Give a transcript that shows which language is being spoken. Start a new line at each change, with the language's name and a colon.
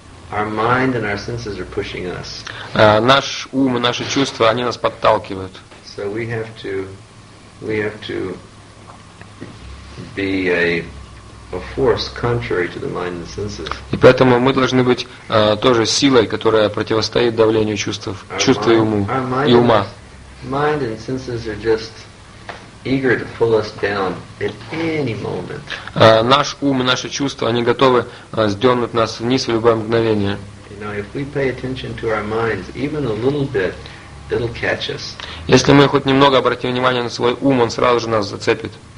English: Our mind and our senses are pushing us.
Russian: Наш ум и наши чувства, они нас подталкивают.
English: So we have to... We have to be a force contrary to the mind and senses.
Russian: И поэтому мы должны быть тоже силой, которая противостоит давлению чувств, чувства и уму, и ума.
English: Mind and senses are just eager to pull us down at any moment.
Russian: Наш ум и наши чувства, они готовы сдернуть нас вниз в любое мгновение.
English: You know, if we pay attention to our minds, even a little bit, it'll catch us.
Russian: Если мы хоть немного обратим внимание на свой ум, он сразу же нас зацепит.